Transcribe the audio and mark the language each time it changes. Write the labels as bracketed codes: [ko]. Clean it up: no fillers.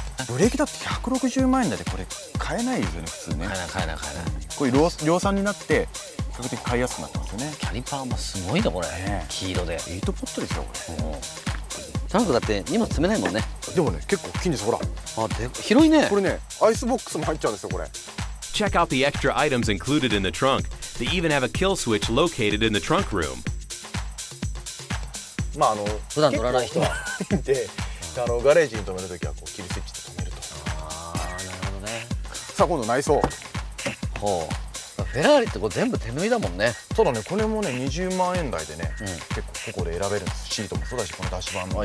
[ja] ブレーキだって160万円だって。これ買えないですよね、普通ね。買えない。これ量産になって比較的買いやすくなってますよね。キャリパーもすごいな、これ、黄色で 8ポットですよ、これ。タンクだって荷物詰めないもんね。でもね、結構大きいんです、ほら。あ、で広いね。これね、アイスボックスも入っちゃうんですよ、これ。 [en] Check out the extra items included in the trunk. They even have a kill switch located in the trunk room. [ja] まあ普段乗らない人は。で、ガレージに止めるときはこう切りスイッチで止めると。ああ、なるほどね。さあ今度内装。ほう。フェラーリってこう全部手縫いだもんね。そうだね、これもね20万円台でね、結構ここで選べるんです。シートもそうだし、このダッシュ版も